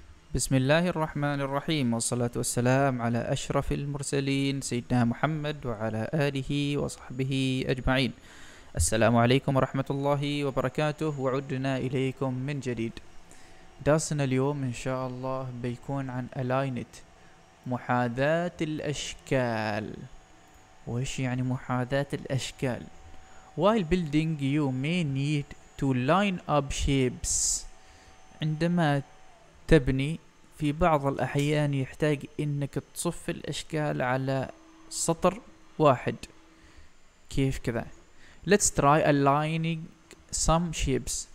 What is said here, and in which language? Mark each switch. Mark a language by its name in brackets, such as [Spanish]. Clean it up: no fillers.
[Arabic] بسم الله الرحمن الرحيم، والصلاة والسلام على أشرف المرسلين سيدنا محمد وعلى آله وصحبه أجمعين. السلام عليكم ورحمة الله وبركاته، وعدنا إليكم من جديد. درسنا اليوم إن شاء الله بيكون عن ألاينت، محاذاة الأشكال. وإيش يعني محاذاة الأشكال؟ [English] While building you may need to line up shapes. [Arabic] عندما تبني في بعض الأحيان يحتاج إنك تصف الأشكال على سطر واحد. كيف كذا؟ [English] Let's try aligning some shapes.